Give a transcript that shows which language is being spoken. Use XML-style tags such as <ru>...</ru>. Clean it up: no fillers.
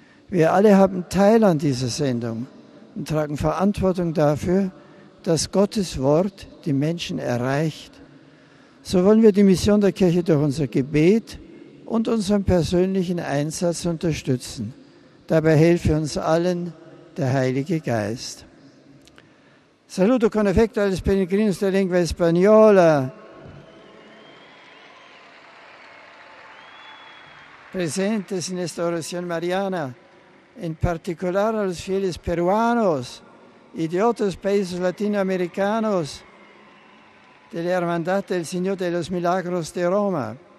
<de>Wir alle haben Teil an dieser Sendung und tragen Verantwortung dafür, dass Gottes Wort die Menschen erreicht. So wollen wir die Mission der Kirche durch unser Gebet und unseren persönlichen Einsatz unterstützen. Dabei helfe uns allen der Heilige Geist.</de> <it>Saluto con affetto alle pellegrini della lingua spagnola.</it> <es>Presentes en esta oración mariana, en particular a los fieles peruanos y de otros países latinoamericanos de la Hermandad del Señor de los Milagros de Roma.</es>